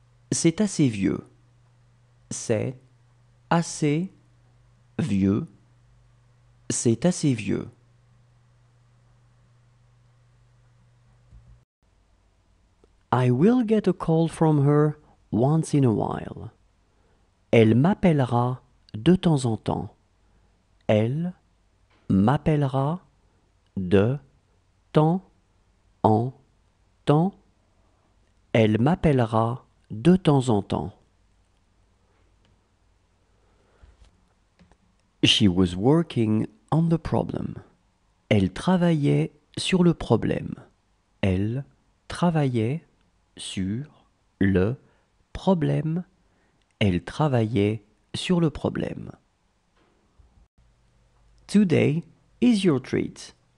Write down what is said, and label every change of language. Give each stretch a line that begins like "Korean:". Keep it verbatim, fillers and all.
French: C'est assez vieux. C'est assez vieux. C'est assez vieux.
English: I will get a call from her once in a while.
French: Elle m'appellera de temps en temps. Elle m'appellera de temps en temps. Elle m'appellera de temps en temps.
English: She was working on the problem.
French: Elle travaillait sur le problème. Elle travaillait sur le problème. Elle travaillait sur le problème.
English: Today is your treat.